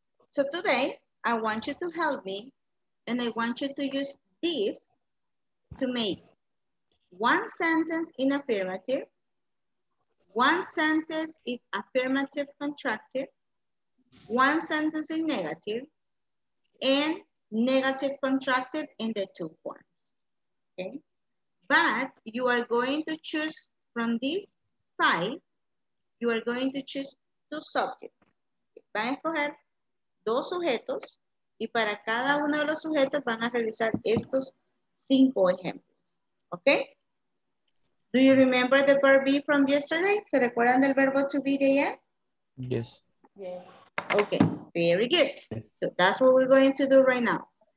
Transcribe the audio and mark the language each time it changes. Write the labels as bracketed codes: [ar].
[en] So today, I want you to help me, and I want you to use this to make one sentence in affirmative, one sentence in affirmative contracted, one sentence in negative, and negative contracted in the two forms, okay? But you are going to choose from these five, you are going to choose two subjects. [es] Van a escoger dos sujetos, y para cada uno de los sujetos van a revisar estos cinco ejemplos, okay? [en] Do you remember the verb be from yesterday? [es] ¿Se recuerdan del verbo to be de ayer? [en] Yes. Okay, very good. So that's what we're going to do right now.